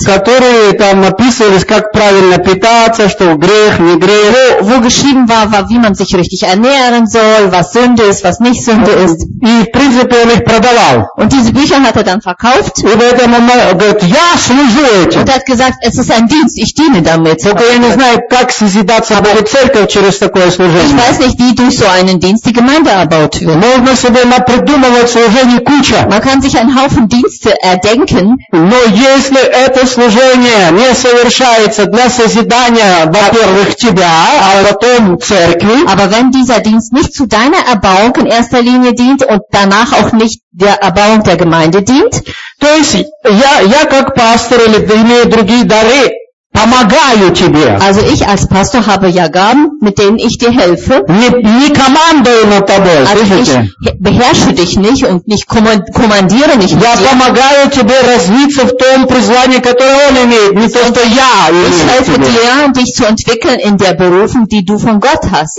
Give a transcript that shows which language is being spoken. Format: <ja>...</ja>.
<ru>Которые там написывались, как правильно питаться, что грех, не грех.</ru> <de>Wo geschrieben war, wie man sich richtig ernähren soll, was Sünde ist, was nicht Sünde ist.</de> <ru>И в принципе он их продавал.</ru> <de>Und diese Bücher hat er dann verkauft.</de> <ru>И поэтому он говорит, я служу этим.</ru> <de>Und er hat gesagt, es ist ein Dienst, ich diene damit.</de> <ru>Только я не знаю, как созидаться будет церковь через такое служение.</ru> <de>Ich weiß nicht, wie durch so einen Dienst die Gemeinde erbaut wird.</de> <ru>Можно себе напрягать.</ru> <de>Man kann sich einen Haufen Dienste erdenken.</de> <ru>Но если это служение не совершается для созидания, во-первых, тебя, а потом церкви.</ru> <de>Aber wenn dieser Dienst nicht zu deiner Erbauung in erster Linie dient und danach auch nicht der Erbauung der Gemeinde dient.</de> <ru>То есть я как пастор или имею другие дары.</ru> <de>Also ich als Pastor habe ja Gaben, mit denen ich dir helfe. Also ich beherrsche dich nicht und ich kommandiere nicht mit dir. Ich helfe dir, dich zu entwickeln in der Berufung, die du von Gott hast.</de>